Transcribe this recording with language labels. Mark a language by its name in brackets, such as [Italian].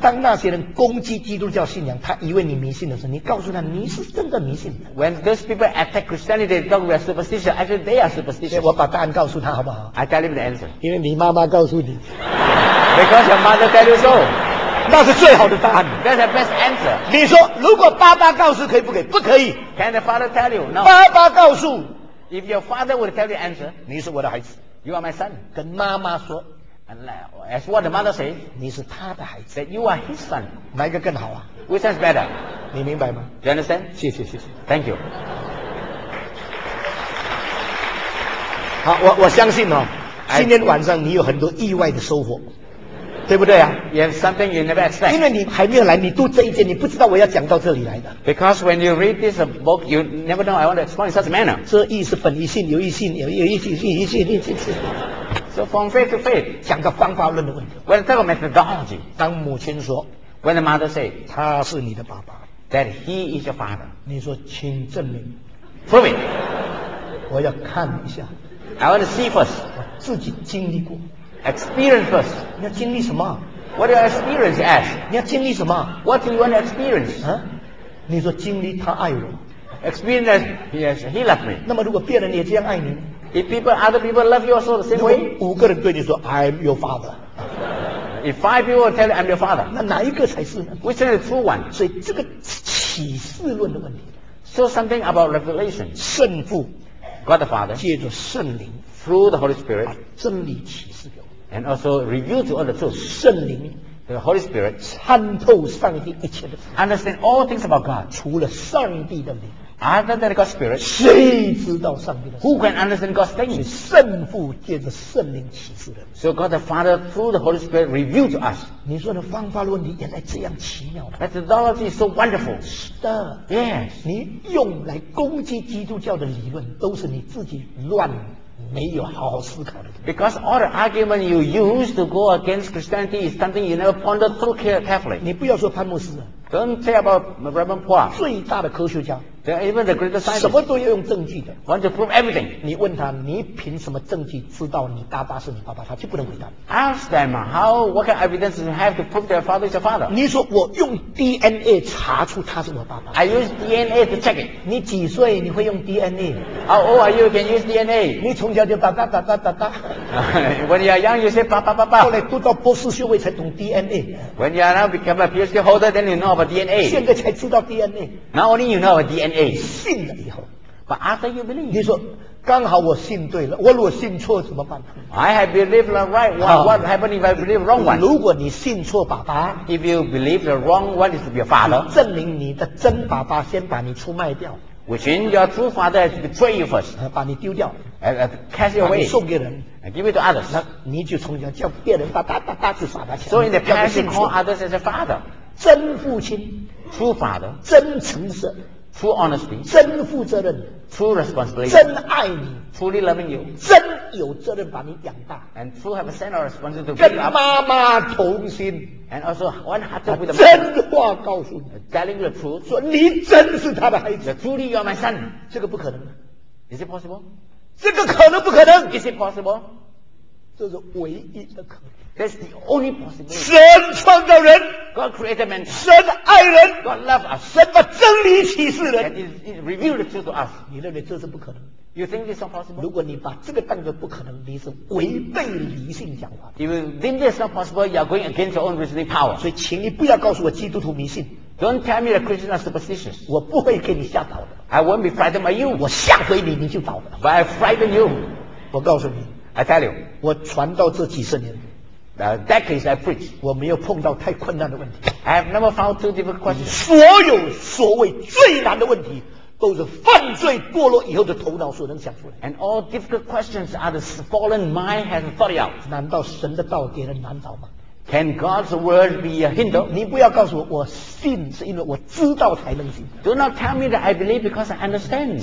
[Chinese] 当那些人攻击基督教信仰，他以为你迷信的时候，你告诉他你是真的迷信的。 [English] When those people attack Christianity, they talk about superstition. Actually, they are superstitious. [Chinese] 我把答案告诉他好不好 [English] ？I tell him the answer. [Chinese] 因为你妈妈告诉你。 [English] Because your mother tell you so. [Chinese] 那是最好的答案。 [English] That's the best answer. [Chinese] 你说，如果爸爸告诉可以不可以？不可以。 [English] Can the father tell you? No. [Chinese] 爸爸告诉。 [English] If your father would tell you answer, [Chinese] 你是我的孩子。 [English] You are my son. [Chinese] 跟妈妈说。 [English] As what the mother says, [Chinese] 你是他的孩子。 [English] That you are his son. [Chinese] 哪一个更好啊 [English] ？Which one's better? [Chinese] 你明白吗 [English] ？You understand? [Chinese] 谢谢谢谢。 [English] Thank you. [Chinese] 好，我相信哦，今天晚上你有很多意外的收获。对不对啊 [English] ？You have something you never expect. [Chinese] 因为你还没有来，你读这一节，你不知道我要讲到这里来的。 [English] Because when you read this book, you never know I want to explain in such a manner. [Chinese] 这义是本于信，由于信，由于信，信于信，信于信。 [English] So from faith to faith, [Chinese] 讲个方法论的问题。 [English] When talk about methodology, [Chinese] 当母亲说 [English] ，When the mother say, [Chinese] 他是你的爸爸 [English] ，That he is your father. [Chinese] 你说，请证明 [English] ，Prove it. [Chinese] 我要看一下 [English] ，I want to see first. [Chinese] 我自己经历过。 [English] Experience first. [Chinese] 你要经历什么 [English] ？What do you experience as? [Chinese] 你要经历什么 [English] ？What do you want to experience? [Chinese] 啊？你说经历他爱我。 [English] Experience as yes, he loved me. [Chinese] 那么如果别人也这样爱你 [English] ？If people, other people love you also the same way. [Chinese] 五个人对你说 ， [English] I'm your father. If five people tell you I'm your father. [Chinese] 那哪一个才是呢 [English] ？Which is the true one? [Chinese] 所以这个启示论的问题。 [English] So something about revelation. [Chinese] 圣父 [English] ，God the Father. [Chinese] 借着圣灵 [English] ，through the Holy Spirit. [Chinese] 真理启示。 [English] And also reveal to all the truth. [Chinese] 圣灵 [English] the Holy Spirit [Chinese] 参透上帝一切的事 [English] understand all things about God. [Chinese] 除了上帝的灵 [English] other than God's Spirit, [Chinese] 谁知道上帝的 [English] Who can understand God's thing? [Chinese] 是圣父借着圣灵启示的 [English] So God the Father through the Holy Spirit reveal to us. [Chinese] 你说的方法论题原来这样奇妙的 [English] Methodology is so wonderful. [Chinese] 是的 [English] Yes. [Chinese] 你用来攻击基督教的理论都是你自己乱没有好好思考的。 [English] Because all the argument you use to go against Christianity is something you never pondered through carefully. [Chinese] 你不要说潘牧师。 [English] Don't say about Reverend Paul. [Chinese] 最大的科学家。 [English] even the greatest scientist, [Chinese] 什么都要用证据的。 [English] Want to prove everything? [Chinese] 你问他，你凭什么证据知道你爸爸是你爸爸？他就不能回答。 [English] Ask them how, what kind of evidence you have to prove their father is your father? [Chinese] 你说我用 DNA 查出他是我爸爸。 [English] I use DNA to check it. [Chinese] 你几岁你会用 DNA? [English] How old are you can use DNA? [Chinese] 你从小就哒哒哒哒哒哒。 [English] When you are young, you say [Chinese] 爸爸爸爸。后来读到博士学位才懂 DNA。 [English] When you are now become a PhD holder, then you know about DNA. [Chinese] 现在才知道 DNA。 [English] Not only you know about DNA. [Chinese] 信了以后。 [English] But after you believe. [Chinese] 你说刚好我信对了，我如果信错怎么办 [English] ？I have believed the right one. What happened if I believe wrong one? [Chinese] 如果你信错爸爸 [English] ，If you believe the wrong one is to be your father, [Chinese] 证明你的真爸爸先把你出卖掉。 [English] Which means your true father has betrayed you first. [Chinese] 把你丢掉 [English] cast you away. [Chinese] 把你送给人 [English] give it to others. [Chinese] 那你就从小叫别人哒哒哒哒去耍他钱。 [English] So in the past, you call others as a father. [Chinese] 真父亲 [English] ，true father. [Chinese] 真诚实 [English] ，true honesty. [Chinese] 真负责任 [English] ，true responsibility. [Chinese] 真爱你 [English] ，truly loving you. [Chinese] 真有责任把你养大 [English] ，and true have a sense of responsibility to bring up. [Chinese] 跟妈妈同心。 [English] And also one heart to with the mother. [Chinese] 真话告诉你 [English] ，telling the truth， [Chinese] 说你真是他的孩子。 [English] Truly you are my son， [Chinese] 这个不可能。 [English] Is it possible？ [Chinese] 这个可能不可能 [English] ？Is it possible？ [Chinese] 这是唯一的可能。 [English] That's the only possibility. [Chinese] 神创造人 [English] ，God created man. [Chinese] 神爱人 [English] ，God loved us. [Chinese] 神把真理启示人 [English] ，That is revealed the truth to us. [Chinese] 你认为这是不可能？ [English] You think this is not possible? [Chinese] 如果你把这个当作不可能，你是违背理性讲话。 [English] If you think this is not possible, you are going against your own reasoning power. [Chinese] 所以，请你不要告诉我基督徒迷信。 [English] Don't tell me that Christians are superstitious. [Chinese] 我不会给你吓倒的。 [English] I won't be frightened by you. [Chinese] 我吓回你，你就倒了。 [English] But I frighten you. [Chinese] 我告诉你 [English] ，I tell you， [Chinese] 我传道这几十年。 [English] Decades I preach， [Chinese] 我没有碰到太困难的问题。 [English] I have never found two difficult questions。 [Chinese] 所有所谓最难的问题，都是犯罪堕落以后的头脑所能想出来。 [English] And all difficult questions are the fallen mind has thought out。 [Chinese] 难道神的道给人难倒吗 [English] ？Can God's word be a hinder？ [Chinese] 你不要告诉我，我信是因为我知道才能信。 [English] Do not tell me that I believe because I understand。